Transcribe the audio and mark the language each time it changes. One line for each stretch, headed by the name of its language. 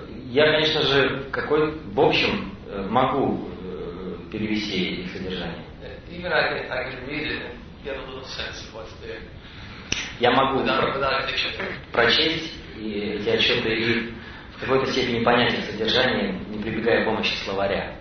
Russian: Я, конечно же, в общем могу перевести их содержание.
English: Even I can read it and get a little sense of what's there.
Russian: Я могу прочесть эти отчеты и в какой-то степени понять их содержание, не прибегая к помощи словаря.